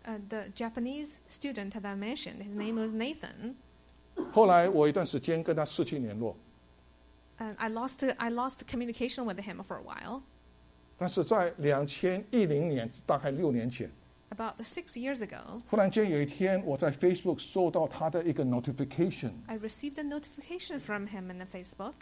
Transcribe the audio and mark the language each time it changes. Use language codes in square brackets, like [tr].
[en] the Japanese student that I mentioned, his name was Nathan. [zh] 后来我一段时间跟他失去联络, [en] and I lost communication with him for a while. [zh] 但是在2010年，大概6年前， [en] About 6 years ago， [zh] 忽然间有一天，我在 Facebook 收到他的一个 notification。 [en] I received a notification from him in the Facebook。